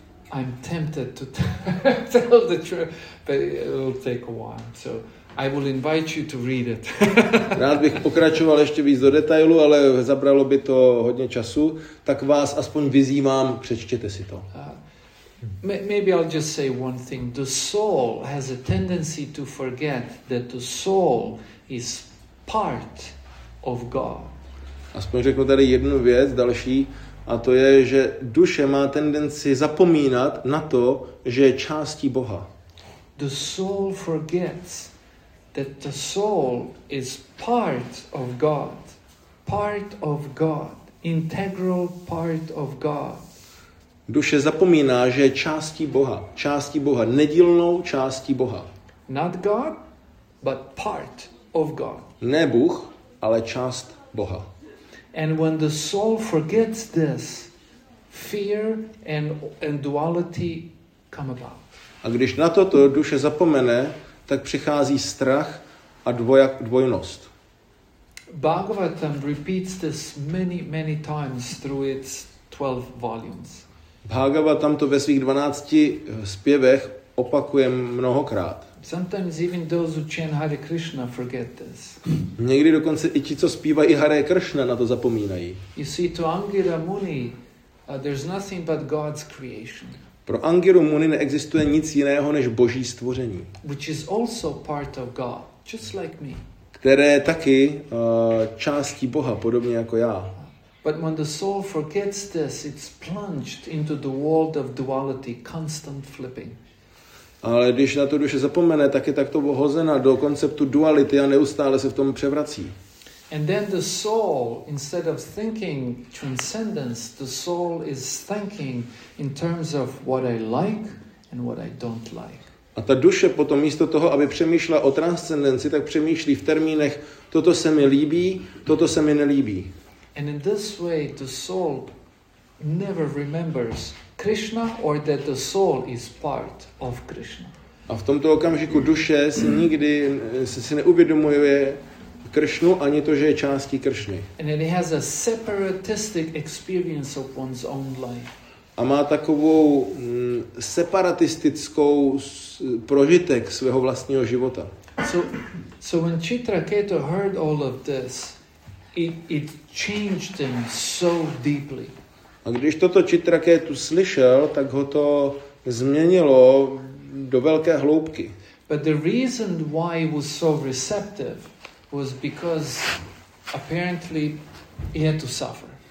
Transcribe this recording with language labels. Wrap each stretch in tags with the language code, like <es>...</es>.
<en>I'm tempted to tell the truth, but it'll take a while. So I will invite you to read it.</en> <cs>Rád bych pokračoval ještě víc do detailu, ale zabralo by to hodně času, tak vás aspoň vyzývám, přečtěte si to.</cs> <en>Maybe I'll just say one thing. The soul has a tendency to forget that the soul is part of God.</en> <cs>Aspoň řeknu tady jednu věc, další, a to je, že duše má tendenci zapomínat na to, že je částí Boha.</cs> <en>the soul forgets that the soul is part of God, part of God, integral part of God.</en> <cs>Duše zapomíná, že je částí Boha, nedílnou částí Boha.</cs> <en>Not God, but part of God.</en> <cs>Ne Bůh, ale část Boha.</cs> <en>And when the soul forgets this, fear and duality come about.</en> <cs>A když na toto duše zapomene, tak přichází strach a dvojnost.</cs> <en>Bhagavatam repeats this many times through its 12 volumes.</en> <cs>Bhagavatam to ve svých 12 zpěvech opakuje mnohokrát.</cs> <en>Sometimes even those who chant Hare Krishna forget this.</en> <cs>Někdy dokonce i ti, co zpívají Hare Krishna, na to zapomínají.</cs> <en>You see, to Angira Muni, there's nothing but God's creation.</en> <cs>Pro Angiru Muni neexistuje nic jiného než Boží stvoření.</cs> <en>Which is also part of God, just like me.</en> <cs>Které je taky částí Boha, podobně jako já.</cs> <en>But when the soul forgets this, it's plunged into the world of duality, constant flipping.</en> <cs>Ale když na to duše zapomene, tak je takto vhozena do konceptu duality a neustále se v tom převrací.</cs> <en>And then the soul, instead of thinking transcendence, the soul is thinking in terms of what I like and what I don't like.</en> <cs>A ta duše potom místo toho, aby přemýšlela o transcendenci, tak přemýšlí v termínech toto se mi líbí, toto se mi nelíbí.</cs> <en>And in this way the soul never remembers Krishna or that the soul is part of Krishna.</en> <cs>A v tomto okamžiku duše si nikdy si neuvědomuje Krishnu ani to, že je částí Krishny.</cs> <en>And it has a separatistic experience of one's own life.</en> <cs>A má takovou separatistickou prožitek svého vlastního života.</cs> <en>So when Chitraketu heard all of this, it changed him so deeply.</en> <cs>A když toto Chitraketu slyšel, tak ho to změnilo do velké hloubky.</cs> <en>But the reason why he was so receptive was because apparently he had to suffer.</en>